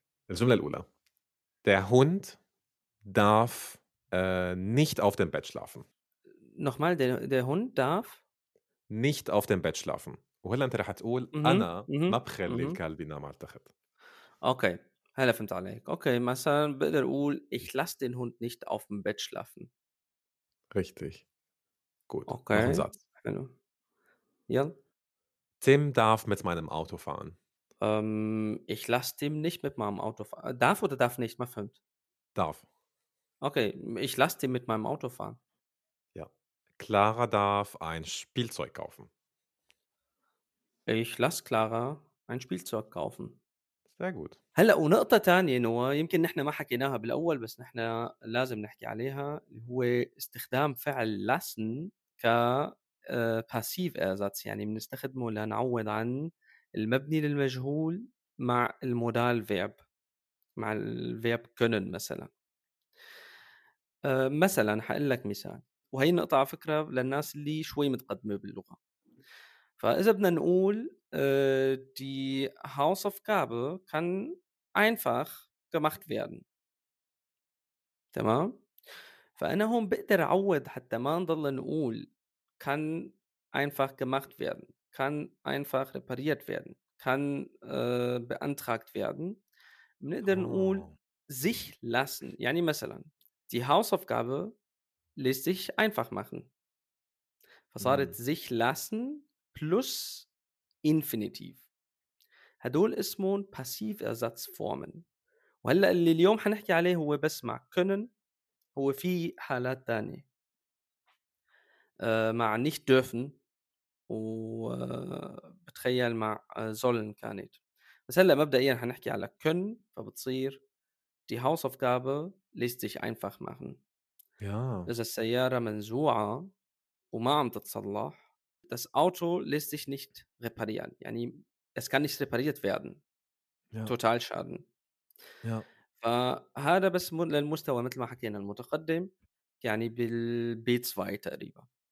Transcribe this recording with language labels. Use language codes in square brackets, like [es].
[ar] الجملة الأولى: [de] Der Hund darf nicht auf dem Bett schlafen. Nochmal, der Hund darf nicht auf dem Bett schlafen. [ar] وهلا انت رح تقول أنا ما بخلي الكلب ينام على التخت. اوكي، هلا فهمت عليك. اوكي، مثلا بقدر أقول [de] Ich lasse den Hund nicht auf dem Bett schlafen. Richtig. Gut. Okay. Noch ein Satz. Hallo. Ja. Tim darf mit meinem Auto fahren. Ich lasse Tim nicht mit meinem Auto fahren. Darf oder darf nicht? Mal fünf. Darf. Okay, ich lasse Tim mit meinem Auto fahren. Ja. Clara darf ein Spielzeug kaufen. Ich lasse Clara ein Spielzeug kaufen. Sehr gut. [ar] هلا ونقطة تانية نوا يمكن نحن ما حكيناها بالأول بس نحن لازم نحكي عليها هو استخدام فعل lassen ك passive ersatz يعني بنستخدمه لنعوض عن المبني للمجهول مع المودال verb مع الverb können مثلا مثلا حقول لك مثال وهي النقطة على فكرة للناس اللي شوي متقدمة باللغة فإذا بدنا نقول [de] die Hausaufgabe kann einfach gemacht werden. [ar] تمام؟ فأنا هون بقدر أعوض حتى ما نضل نقول [de] kann einfach gemacht werden, kann einfach repariert werden, kann beantragt werden. [ar] بنقدر نقول sich lassen. يعني مثلا [de] die Hausaufgabe lässt sich einfach machen. [ar] فصارت sich lassen plus infinitiv. هدول اسمون Passiv-Ersatzformen. وهلا اللي اليوم حنحكي عليه هو بس مع können هو في حالات تانية. مع nicht dürfen و بتخيل مع sollen كانت. بس هلا مبدئيا حنحكي على können فبتصير [de] die Hausaufgabe lässt sich einfach machen. Ja. [ar] إذا السيارة منزوعة وما عم تتصلح [de] Das Auto lässt sich nicht reparieren. يعني es kann nicht repariert werden. Ja. Totalschaden. Ja. [ar] فهذا بس للمستوى مثل ما حكينا المتقدم يعني بالB2 تقريبا.